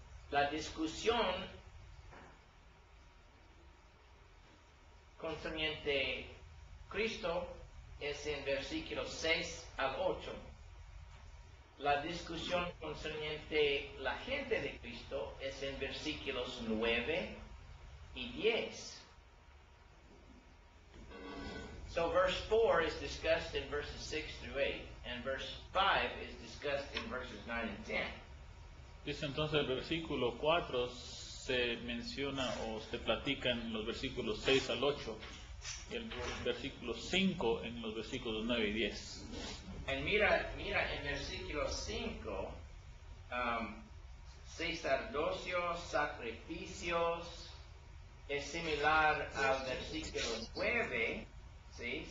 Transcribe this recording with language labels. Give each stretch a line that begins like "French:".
Spanish: La discusión concerniente Cristo es en versículos 6 al 8. La discusión concerniente la gente de Cristo es en versículos 9 y 10.
English: So verse 4 is discussed in verses 6 through 8, and verse 5 is discussed in verses 9 and 10.
Spanish: Dice entonces el versículo 4 se menciona o se platica en los versículos 6 al 8, y el versículo 5 en los versículos 9 y 10. Y mira en versículo 5, sacerdocios, sacrificios, es similar al versículo 9, ¿sí?